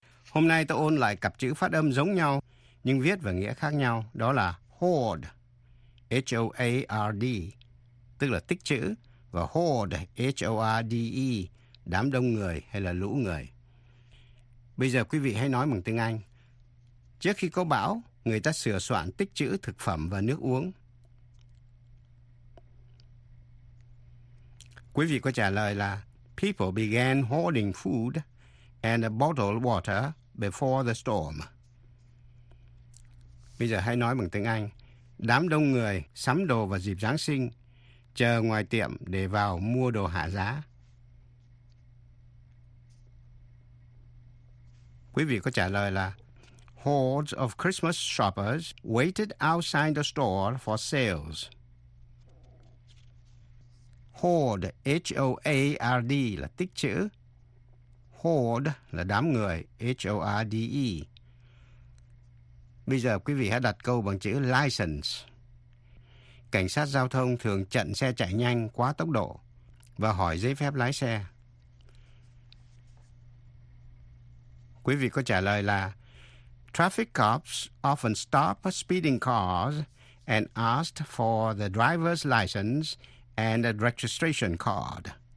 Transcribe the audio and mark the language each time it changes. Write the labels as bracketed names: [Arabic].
[Vietnamese] Hôm nay ta ôn lại cặp chữ phát âm giống nhau nhưng viết và nghĩa khác nhau, đó là hoard, H-O-A-R-D, tức là tích chữ, và hoard, H-O-R-D-E, đám đông người hay là lũ người. Bây giờ quý vị hãy nói bằng tiếng Anh. Trước khi có bão, người ta sửa soạn tích chữ thực phẩm và nước uống. Quý vị có trả lời là [English] people began hoarding food and a bottle of water before the storm. [Vietnamese] Bây giờ hãy nói bằng tiếng Anh. Đám đông người sắm đồ vào dịp Giáng sinh, chờ ngoài tiệm để vào mua đồ hạ giá. Quý vị có trả lời là [English] hordes of Christmas shoppers waited outside the store for sales. [Vietnamese] Hoard, H-O-A-R-D là tích chữ. Hoard là đám người, H-O-R-D-E. Bây giờ quý vị hãy đặt câu bằng chữ license. Cảnh sát giao thông thường chặn xe chạy nhanh quá tốc độ và hỏi giấy phép lái xe. Quý vị có trả lời là [English] traffic cops often stop speeding cars and ask for the driver's license and a registration card.